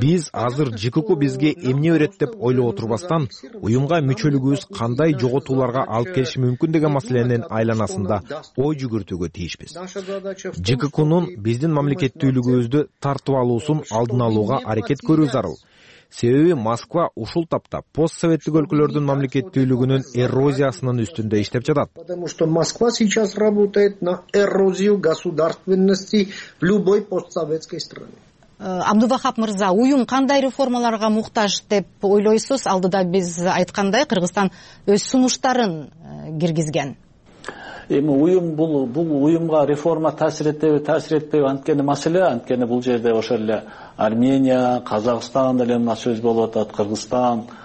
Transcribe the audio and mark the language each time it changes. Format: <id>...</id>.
<ky>Биз азыр ЖККУ бизге эмне өрөт деп ойлоп отурбастан, уюмга мүчөлүгүбүз кандай жоготууларга алып келиши мүмкүн деген маселенин айланасында ой жүгүртүүгө тийишпиз. ЖККУнун биздин мамлекеттүүлүгүбүздү тартып алуусун алдын алууга аракет көрүү зарыл. Себеби Москва ушул тапта постсоветтик өлкөлөрдүн мамлекеттүүлүгүнүн эрозиясынын үстүндө иштеп жатат.</ky> <ru>Потому что Москва сейчас работает на эрозию государственности в любой постсоветской стране.</ru> <ky>Абдувахап мырза, уюм кандай реформаларга муктаж деп ойлойсуз? Алдыда биз айткандай, Кыргызстан өз сунуштарын киргизген. Эми уюм бул уюмга реформа таасир этеби, таасир этпейби, анткени маселе, анткени бул жерде ошол эле Армения, Казакстан деле сөз болуп атат, Кыргызстан,</ky>